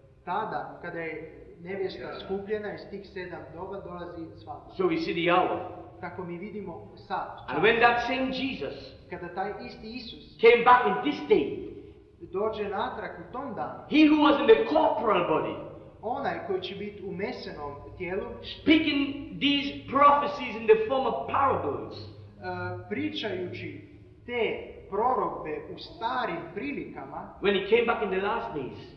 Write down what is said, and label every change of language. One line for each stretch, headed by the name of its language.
Croatian: Tada kada je nevjesta skupljena iz tih sedam doba dolazi svadba.
English: So we see the hour.
Croatian: Tako mi vidimo sad.
English: And when that same Jesus.
Croatian: Kada taj isti Isus.
English: Came back in this day.
Croatian: Dođe natrag u tom danu.
English: He who was in the corporal body.
Croatian: Onaj koji će biti u mesenom tijelu.
English: Speaking these prophecies in the form of parables.
Croatian: Pričajući te prorokbe u starim prilikama.
English: When he came back in the last days.